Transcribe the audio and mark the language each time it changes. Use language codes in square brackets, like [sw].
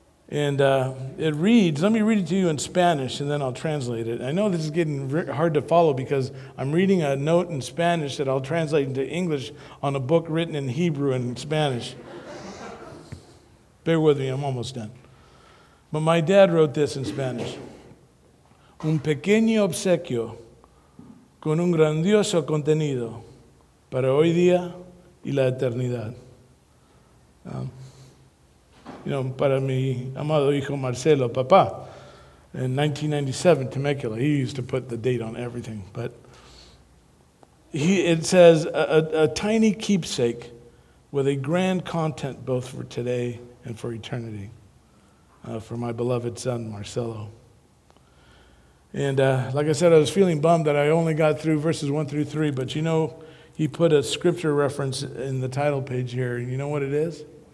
[en] And it reads, let me read it to you in Spanish, and then I'll translate it. I know this is getting hard to follow because I'm reading a note in Spanish that I'll translate into English on a book written in Hebrew and in Spanish. Bear with me, I'm almost done. But my dad wrote this in Spanish. [es] Un pequeño obsequio con un grandioso contenido para hoy día y la eternidad. [en] You know, [es] para mi amado hijo Marcelo, papá, in 1997, Temecula. [en] He used to put the date on everything. But it says, a tiny keepsake with a grand content both for today and for eternity, for my beloved son, Marcelo. And like I said, I was feeling bummed that I only got through verses 1-3, but you know, he put a scripture reference in the title page here. You know what it is?